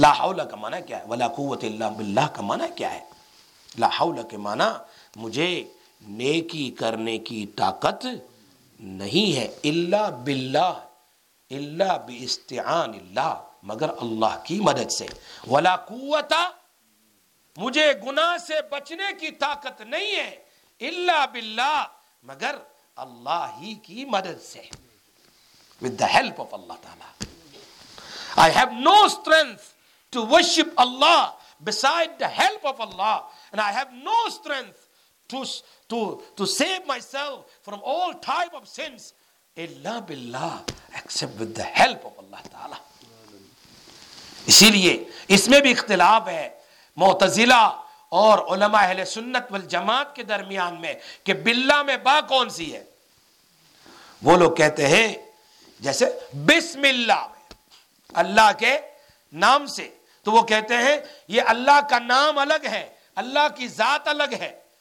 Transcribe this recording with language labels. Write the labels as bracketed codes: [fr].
[ur] لا حول کا معنی کیا ہے؟ ولا قوت الا باللہ کا معنی کیا ہے؟ لا حول کے معنی مجھے نیکی کرنے کی طاقت نہیں ہے، الا باللہ، الا باستعان اللہ، مگر اللہ کی مدد سے. ولا قوت، مجھے گناہ سے بچنے کی طاقت نہیں ہے، الا باللہ، مگر اللہ ہی کی مدد سے، [en] with the help of Allah Taala. I have no strength to worship Allah beside the help of Allah, and I have no strength to save myself from all type of sins illa billah, except with the help of Allah Taala. [ur] اسی لیے اس میں بھی اختلاف ہے معتزلہ اور علماء اہل سنت والجماعت کے درمیان میں کہ باللہ میں با کون سی ہے. وہ لوگ کہتے ہیں جیسے بسم اللہ، اللہ کے نام سے، تو وہ کہتے ہیں یہ اللہ کا نام الگ ہے، اللہ کی ذات الگ ہے،